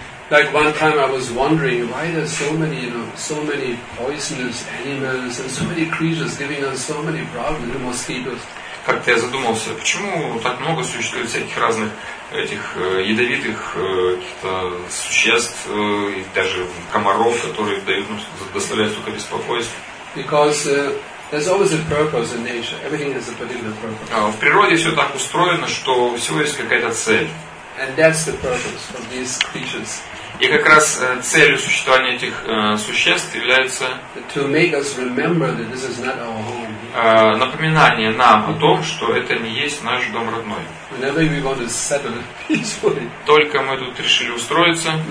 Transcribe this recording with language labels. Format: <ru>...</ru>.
<en>Like one time I was wondering why there's so many, you know, so many poisonous animals and so many creatures giving us so many problems, the mosquitoes.</en> <ru>Как-то я задумался, почему так много существует всяких разных этих ядовитых каких-то существ и даже комаров, которые дают, ну, доставляют столько беспокойства.</ru> <en>Because there's always a purpose in nature. Everything has a particular purpose.</en> <ru>В природе все так устроено, что всего есть какая-то цель.</ru> <en>And that's the purpose of these creatures.</en> <ru>И как раз целью существования этих существ является</ru> <en>to make us remember that this is not our home.</en> <ru>Напоминание нам о том, что это не есть наш дом родной.</ru> <en>Whenever we want to settle peacefully,</en> <ru>только мы тут решили устроиться,</ru>